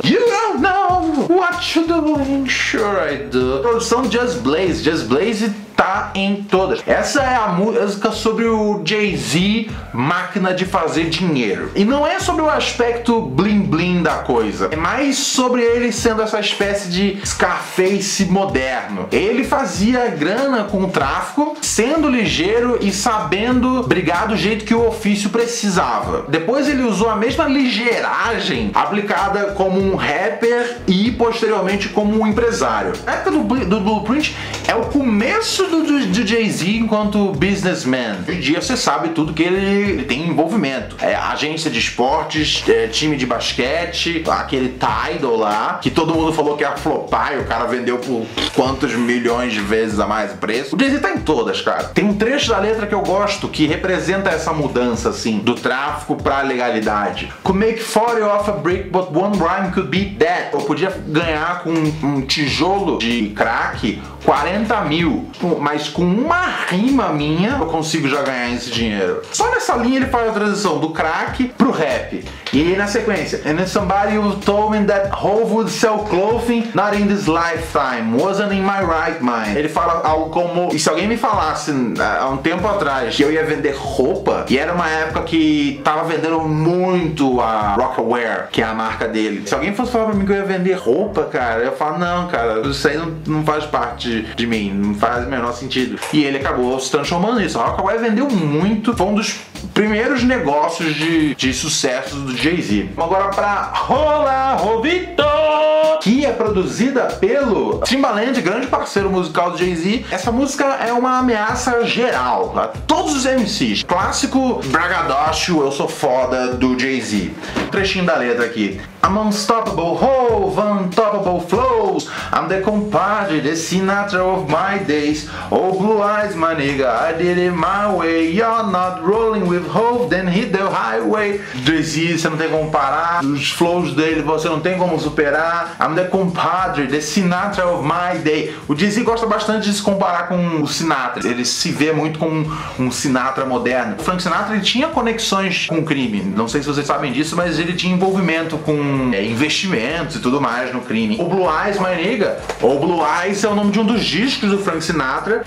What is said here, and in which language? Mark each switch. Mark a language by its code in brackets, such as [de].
[en] You don't know what you're doing, sure I do. [pt] Produção [en] Just Blaze, Just Blaze [pt] tá em todas. Essa é a música sobre o Jay-Z, máquina de fazer dinheiro. E não é sobre o aspecto bling bling da coisa, é mais sobre ele sendo essa espécie de Scarface moderno. Ele fazia grana com o tráfico, sendo ligeiro e sabendo brigar do jeito que o ofício precisava. Depois ele usou a mesma ligeiragem aplicada como um rapper e posteriormente como um empresário. A época do Blueprint é o começo do Jay-Z enquanto businessman. Hoje em dia você sabe tudo que ele tem envolvimento. É agência de esportes, é time de basquete, aquele Tidal lá, que todo mundo falou que ia flopar e o cara vendeu por quantos milhões de vezes a mais o preço. O Jay-Z tá em todas, cara. Tem um trecho da letra que eu gosto que representa essa mudança, assim, do tráfico pra legalidade. [en] Could make 40 off a brick, but one rhyme could beat that. [pt] Eu podia ganhar com um tijolo de crack 40 mil, mas com uma rima minha eu consigo já ganhar esse dinheiro. Só nessa linha ele faz a transição do crack pro rap. E aí na sequência, [en] and then somebody told me that Hove would sell clothing, not in this lifetime, wasn't in my right mind. [pt] Ele fala algo como, e se alguém me falasse há um tempo atrás que eu ia vender roupa, e era uma época que tava vendendo muito a Rockaware, que é a marca dele. Se alguém fosse falar pra mim que eu ia vender roupa, cara, eu falo, não, cara, isso aí não faz parte de mim, não faz o menor sentido. E ele acabou se transformando nisso. A Rockaware vendeu muito, foi um dos primeiros negócios de sucesso do Jay-Z. Agora pra Rola Rovito, que é produzida pelo Timbaland, grande parceiro musical do Jay-Z. Essa música é uma ameaça geral a todos os MCs. Clássico bragadócio, eu sou foda do Jay-Z. Um trechinho da letra aqui. [en] I'm unstoppable, Hov, untoppable flows. I'm the compadre, the Sinatra of my days. Oh, blue eyes, my nigga, I did it my way. You're not rolling with Hov, then hit the highway. [pt] Jay-Z, você não tem como parar. Os flows dele, você não tem como superar. [en] I'm the compadre, the Sinatra of my day. [pt] O Jay-Z gosta bastante de se comparar com o Sinatra. Ele se vê muito como um Sinatra moderno. O Frank Sinatra, ele tinha conexões com o crime. Não sei se vocês sabem disso, mas ele tinha envolvimento com investimentos e tudo mais no crime. O Blue Eyes, My Nigga, ou Blue Eyes é o nome de um dos discos do Frank Sinatra.